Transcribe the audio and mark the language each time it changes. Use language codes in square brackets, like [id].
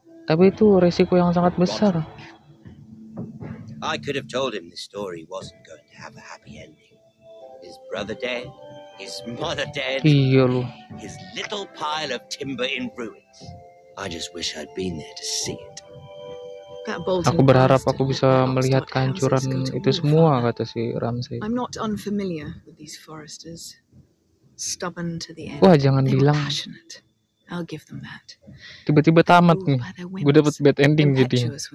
[id] Tapi itu resiko yang sangat besar. [en] I could have told him the story wasn't going to have a happy ending. His brother dead, his mother dead. [id] Iya loh. [en] His little pile of timber in ruins. I just wish I'd been there to see it. [id] Aku berharap aku bisa melihat kehancuran itu semua, kata si Ramsey. [en] I'm not unfamiliar with these foresters. Stubborn to the end. [id] Wah, jangan bilang. [en] I'll give them that. [id] Tiba-tiba tamat nih. Gue dapat bad ending jadinya.